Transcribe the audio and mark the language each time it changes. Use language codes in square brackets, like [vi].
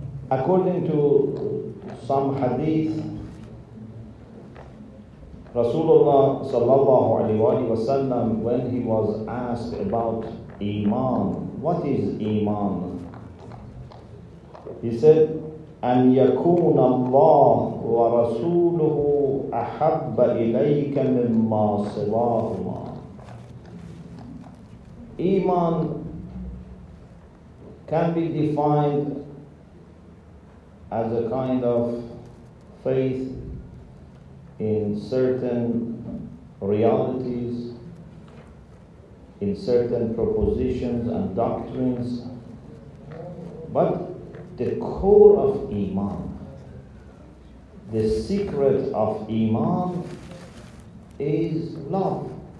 [en] According to some hadith, Rasulullah sallallahu alayhi wa sallam, when he was asked about iman, what is iman? He said, [ar] أن يكون الله ورسوله أحب إليك مما سواهما. [en] Iman can be defined as a kind of faith in certain realities, in certain propositions and doctrines, but the core of iman, the secret of iman, is love.